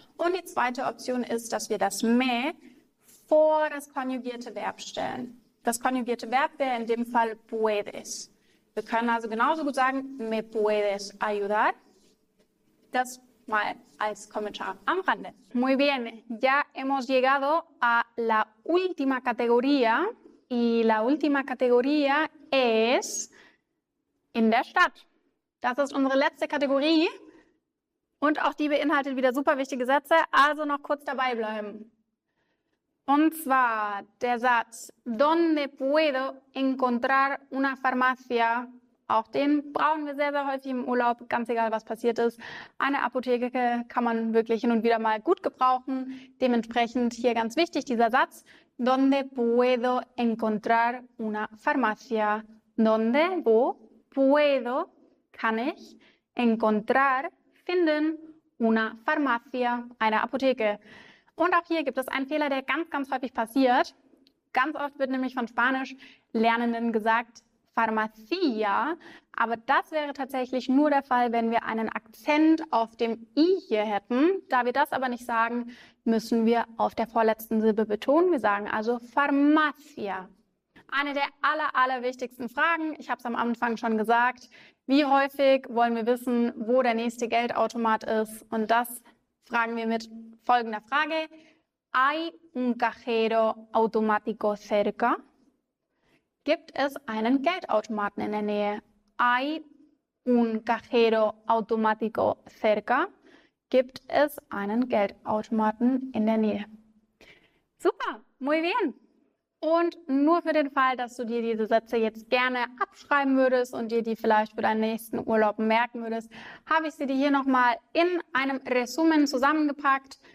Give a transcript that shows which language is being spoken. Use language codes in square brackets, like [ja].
[de] Und die zweite Option ist, dass wir das me vor das konjugierte Verb stellen. Das konjugierte Verb wäre in dem Fall puedes. Wir können also genauso gut sagen, [es] me puedes ayudar. [de] Das mal als Kommentar am Rande. [es] Muy bien, ya hemos llegado a la última categoría. Y la última categoría es [de] in der Stadt. Das ist unsere letzte Kategorie. Und auch die beinhaltet wieder super wichtige Sätze. Also noch kurz dabei bleiben. Und zwar der Satz, [es] ¿dónde puedo encontrar una farmacia? [de] Auch den brauchen wir sehr, sehr häufig im Urlaub, ganz egal, was passiert ist. Eine Apotheke kann man wirklich hin und wieder mal gut gebrauchen. Dementsprechend hier ganz wichtig, dieser Satz, [es] ¿dónde puedo encontrar una farmacia? ¿Dónde, [de] wo, [es] puedo, [de] kann ich, [es] encontrar, [de] finden, [es] una farmacia, [de] eine Apotheke? Und auch hier gibt es einen Fehler, der ganz, ganz häufig passiert. Ganz oft wird nämlich von Spanischlernenden gesagt Farmacia, aber das wäre tatsächlich nur der Fall, wenn wir einen Akzent auf dem I hier hätten. Da wir das aber nicht sagen, müssen wir auf der vorletzten Silbe betonen. Wir sagen also Farmacia. Eine der aller wichtigsten Fragen, ich habe es am Anfang schon gesagt, wie häufig wollen wir wissen, wo der nächste Geldautomat ist? Und das fragen wir mit folgender Frage. [es] ¿Hay un cajero automático cerca? [de] Gibt es einen Geldautomaten in der Nähe? [es] ¿Hay un cajero automático cerca? [de] Gibt es einen Geldautomaten in der Nähe? Super, [es] muy bien. [de] Und nur für den Fall, dass du dir diese Sätze jetzt gerne abschreiben würdest und dir die vielleicht für deinen nächsten Urlaub merken würdest, habe ich sie dir hier nochmal in einem Resumen zusammengepackt.